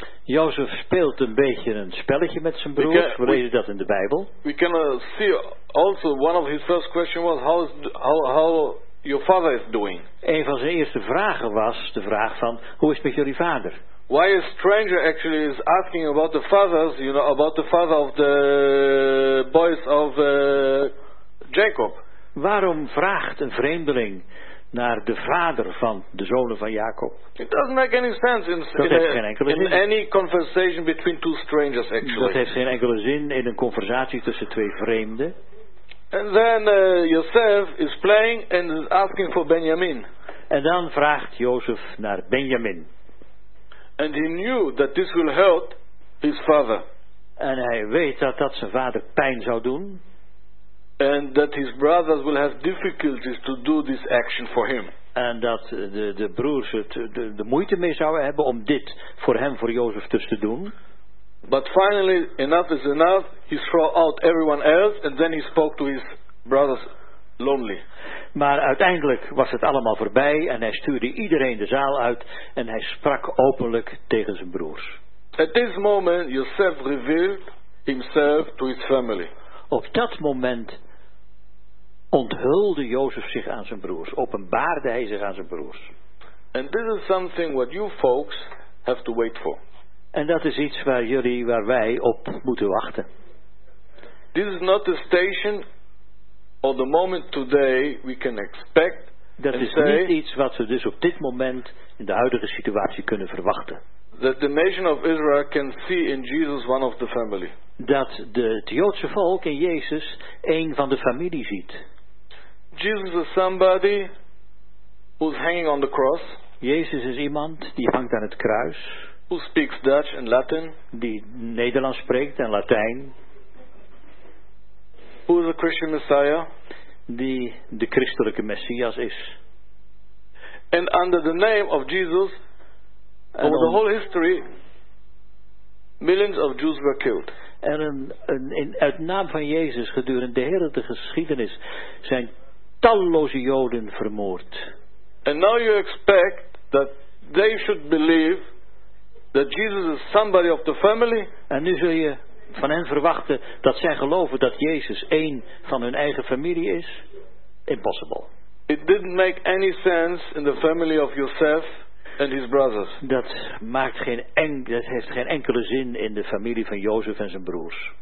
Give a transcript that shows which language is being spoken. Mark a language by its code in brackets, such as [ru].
[nl] Jozef speelt een beetje een spelletje met zijn broers. We lezen dat in de Bijbel. [en] We can see also one of his first questions was how your father is doing. [nl] Een van zijn eerste vragen was de vraag van hoe is het met jullie vader? [en] Why a stranger actually is asking about the fathers, you know, about the father of the boys of Jacob? [nl] Waarom vraagt een vreemdeling naar de vader van de zonen van Jacob? [en] It doesn't make any sense in any conversation between two strangers actually. [nl] Dat heeft geen enkele zin in een conversatie tussen twee vreemden. [en] And then Yosef is playing and is asking for Benjamin. [nl] En dan vraagt Jozef naar Benjamin. [en] And he knew that this will hurt his father. [nl] En hij weet dat dat zijn vader pijn zou doen. [en] And that his brothers will have difficulties to do this action for him. [nl] En dat de broers het de moeite mee zouden hebben om dit voor hem, voor Jozef dus te doen. [en] But finally, enough is enough. He threw out everyone else, and then he spoke to his brothers lonely. [nl] Maar uiteindelijk was het allemaal voorbij, en hij stuurde iedereen de zaal uit, en hij sprak openlijk tegen zijn broers. [en] At this moment, Yosef revealed himself to his family. [nl] op dat moment onthulde Jozef zich aan zijn broers, openbaarde hij zich aan zijn broers. [en] And this is something what you folks have to wait for. [nl] En dat is iets waar jullie, waar wij op moeten wachten. [en] This is not the station or the moment today we can expect. [nl] Dat is [en] say, [nl] niet iets wat we dus op dit moment in de huidige situatie kunnen verwachten. [en] That the nation of Israel can see in Jesus one of the family. [nl] Dat het Joodse volk in Jezus een van de familie ziet. [en] Jesus is somebody who's hanging on the cross. [nl] Jezus is iemand die hangt aan het kruis. [en] Who speaks Dutch and Latin? [nl] Die Nederlands spreekt en Latijn. [en] Who is a Christian Messiah? [nl] Die de christelijke Messias is. [en] And under the name of Jesus, and over the whole history, millions of Jews were killed. [nl] En in uit naam van Jezus gedurende de hele de geschiedenis zijn talloze Joden vermoord. [en] And now you expect that they should believe that Jesus is somebody of the family. [nl] En nu zul je van hen verwachten dat zij geloven dat Jezus één van hun eigen familie is. [en] Impossible. It didn't make any sense in the family of Joseph and his brothers. [nl] Dat maakt geen dat heeft geen enkele zin in de familie van Jozef en zijn broers.